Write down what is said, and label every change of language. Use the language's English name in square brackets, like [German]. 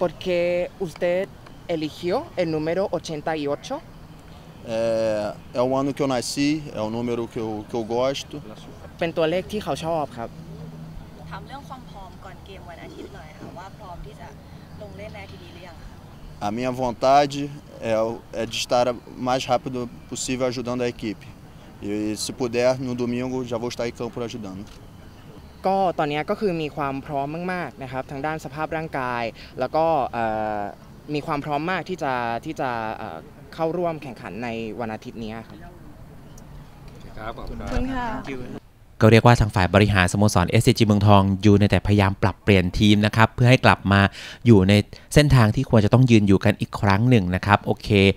[Spanish] porque usted eligió el número 88 [Portuguese] é o ano que eu nasci é o número que eu gosto [Thai] เป็นตัวเลขที่เขาชอบครับ ถามเรื่องความพร้อมก่อนเกมวันอาทิตย์หน่อยค่ะว่าพร้อมที่จะลงเล่นในทีนี้หรือยังคะ [Portuguese] A minha vontade é de estar mais rápido possível ajudando a equipe. E se puder no domingo já vou estar em campo ajudando. [Thai] ก็ตอนนี้ก็คือมีความพร้อมมากๆนะครับทางด้านสภาพร่างกายแล้วก็มีความพร้อมมากที่จะเข้าร่วมแข่งขันในวันอาทิตย์นี้ครับ ครับขอบคุณ ครับขอบคุณค่ะ ก็เรียกว่าทางฝ่ายบริหารสโมสร SCG เมืองทองอยู่ในแต่พยายามปรับเปลี่ยนทีมนะครับเพื่อให้กลับมาอยู่ในเส้นทางที่ควรจะต้องยืนอยู่กันอีกครั้งหนึ่งนะครับโอเค